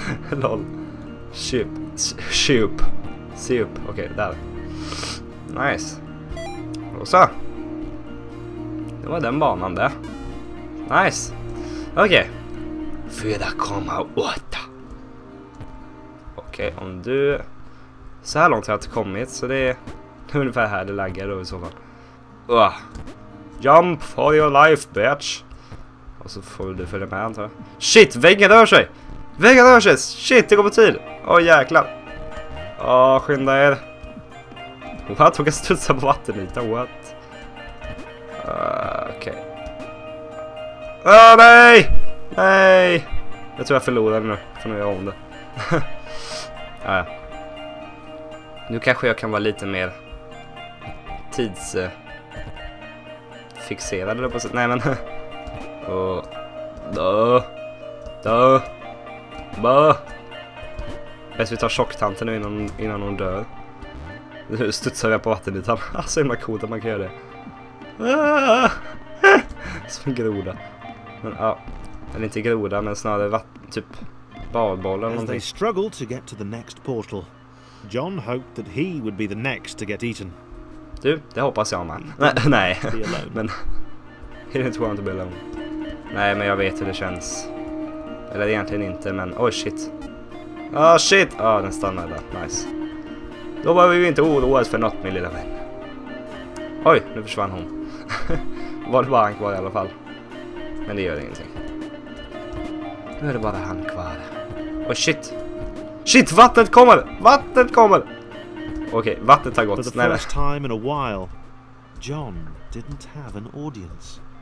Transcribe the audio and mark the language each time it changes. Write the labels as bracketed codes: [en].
[sv] Lol. Shoop. Shoop. Se upp, okej, okay, där. Nice. Och så. Det var den banan där. Nice. Okej. Okay. 4,8. Okej, okay, om du... Så här långt har jag inte kommit, så det är ungefär här det laggar då i så fall. [en] Jump for your life, bitch. [sv] Och så får du följa med, antar jag. Shit, väggen rör sig! Väggen rör sig! Shit, det går på tid! Åh, jäklar. Åh, skynda er. What? Hon kan studsa på vattenytan, what? Okej. Okay. Åh, nej! Nej! Jag tror jag förlorade nu, för nu är jag om det. Ah, ja. Nu kanske jag kan vara lite mer tids... fixerad eller på sätt. Nej, men... Och... Då... Då... Bå... Bäst vi tar tjocktanten nu innan hon dör. Nu studsar jag på vattenytan. Alltså, är man cool att man kan göra det? Som en groda. Men ja, eller inte groda, men snarare typ badboll eller någonting. [en] As they struggled to get to the next portal, John hoped that he would be the next to get eaten. [sv] Du, det hoppas jag, man. Nej, men... [en] He didn't want to be alone. [sv] Nej, men jag vet hur det känns. Eller egentligen inte, men... [en] Oh shit. Ah, shit! [sv] Ah, den stannade där. Nice. Då var vi ju inte oroade för något, min lilla vän. Oj, nu försvann hon. Var det bara han kvar i alla fall? Men det gör ingenting. Nu är det bara han kvar. [en] Oh shit! [sv] Shit, vattnet kommer! Vattnet kommer! Okej, okay, vattnet har gått. [en] For the first time in a while, John didn't have an audience.